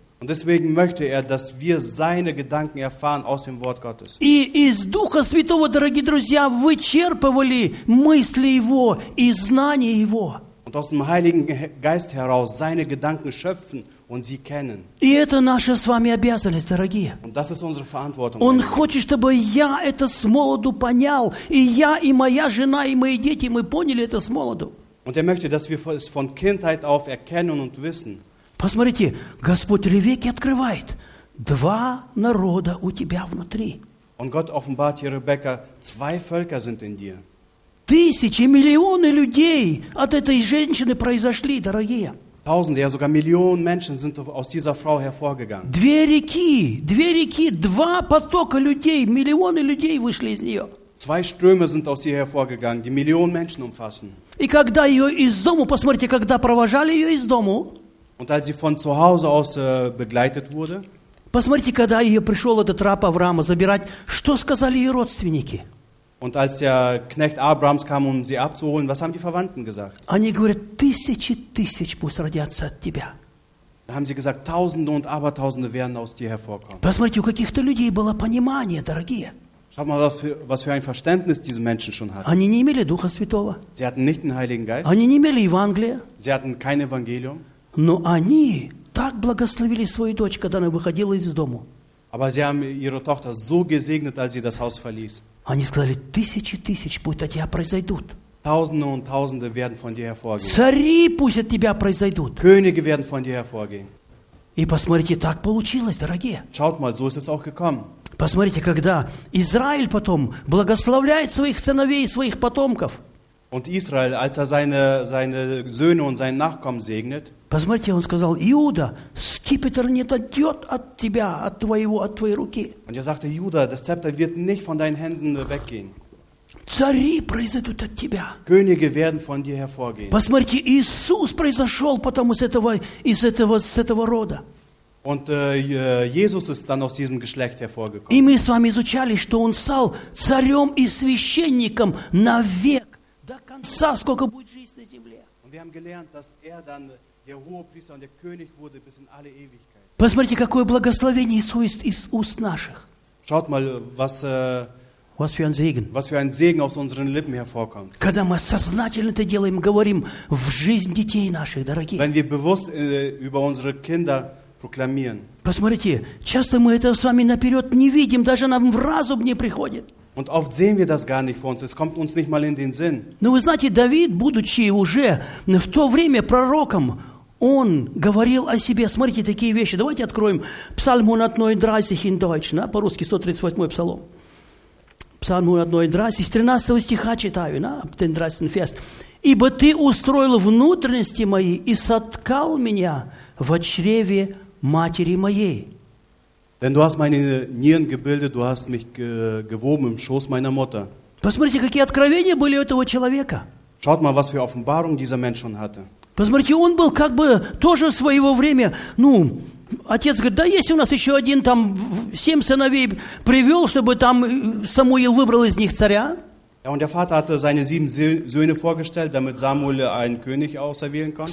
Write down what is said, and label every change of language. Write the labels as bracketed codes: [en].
[de] Und deswegen möchte er, dass wir seine Gedanken erfahren aus dem Wort Gottes. [ru] И из Духа Святого, дорогие друзья, вычерпывали мысли Его и знания Его. [de] Und aus dem Heiligen Geist heraus seine Gedanken schöpfen und sie kennen. [ru] И это наша с вами обязанность, дорогие. [de] Und das ist unsere Verantwortung. [ru] Он хочет, чтобы я это с молоду понял, и я, и моя жена, и мои дети, мы поняли это с молоду. [de] Und möchte, dass wir es von Kindheit auf erkennen und wissen. [ru] Посмотрите, Господь Ревекке открывает. Два народа у тебя внутри. [de] Und Gott offenbart hier, Rebecca, zwei Völker sind in dir. [ru] Тысячи, миллионы людей от этой женщины произошли, дорогие. [de] Tausende, ja sogar Millionen Menschen sind aus dieser Frau hervorgegangen. [ru] Две реки, два потока людей, миллионы людей вышли из нее. [de] Zwei Ströme sind aus ihr hervorgegangen, die Millionen Menschen umfassen. [ru] И когда ее из дому, посмотрите, когда провожали ее из дому. [de] Und als sie von zu Hause aus begleitet wurde. [ru] Посмотрите, когда ее пришел этот раб Авраама забирать, что сказали ее родственники? [de] Und als der Knecht Abrahams kam, um sie abzuholen, was haben die Verwandten gesagt? [ru] Они говорят, тысячи тысяч пусть родятся от тебя. [de] Da haben sie gesagt, Tausende und Abertausende werden aus dir hervorkommen. [ru] Посмотрите, у каких-то людей было понимание, дорогие. [de] Schau mal, was für ein Verständnis diese Menschen schon hatten. [ru] Они не имели Духа Святого. [de] Sie hatten nicht den Heiligen Geist. [ru] Они не имели Евангелия. [de] Sie hatten kein Evangelium. [ru] Но они так благословили свою дочь, когда она выходила из дому. [de] Aber sie haben ihre Tochter so gesegnet, als sie das Haus verließ. [ru] Они сказали, тысячи тысяч пусть от тебя произойдут. [de] Tausende und Tausende werden von dir hervorgehen. [ru] Цари пусть от тебя произойдут. [de] Könige werden von dir hervorgehen. [ru] И посмотрите, так получилось, дорогие. [de] Schaut mal, so ist es auch gekommen. [ru] Посмотрите, когда Израиль потом благословляет своих сыновей и своих потомков. [de] Und Israel, als seine Söhne und seinen Nachkommen segnet. [ru] Посмотрите, он сказал, Иуда, скипетр не отойдет от тебя, от твоего, от твоей руки. [de] Und er sagte, Juda, das Zepter wird nicht von deinen Händen weggehen. [ru] Цари произойдут от тебя. [de] Könige werden von dir hervorgehen. [ru] Посмотрите, Иисус произошел потом из этого рода. [de] Und Jesus ist dann aus diesem Geschlecht hervorgekommen. [ru] И мы с вами изучали, что он стал царем и священником навек. До конца, сколько будет жизнь на земле. [de] Und wir haben gelernt, dass dann der Hohepriester und der König wurde bis in alle Ewigkeit. [ru] Посмотрите, какое благословение исходит из уст наших. [de] Schaut mal, was für ein Segen. Was für ein Segen aus unseren Lippen hervorkommt. [ru] Когда мы сознательно это делаем, говорим в жизнь детей наших, дорогие. [de] Wenn wir bewusst über unsere Kinder proklamieren. [ru] Посмотрите, часто мы это с вами наперед не видим, даже нам в разум не приходит. [de] Und oft sehen wir das gar nicht vor uns. Es kommt uns nicht mal in den Sinn. [ru] Но вы знаете, Давид, будучи уже в то время пророком, он говорил о себе. Смотрите, такие вещи. Давайте откроем Psalm 139 [de] in Deutsch, [ru] да, по-русски 138 псалом. Psalm 139, 13 стиха читаю, да, 139 vers. «Ибо ты устроил внутренности мои и соткал меня в чреве матери моей». [de] Denn du hast meine Nieren gebildet, du hast mich gewoben im Schoß meiner Mutter. [ru] Посмотрите, какие откровения были у этого человека. [de] Schaut mal, was für Offenbarung dieser Mensch schon hatte. [ru] Посмотрите, он был как бы тоже в свое время, ну, отец говорит, да есть у нас еще один там, семь сыновей привел, чтобы там Самуил выбрал из них царя. [de] Ja, und der Vater hatte seine sieben Söhne vorgestellt, damit Samuel einen König auserwählen konnte.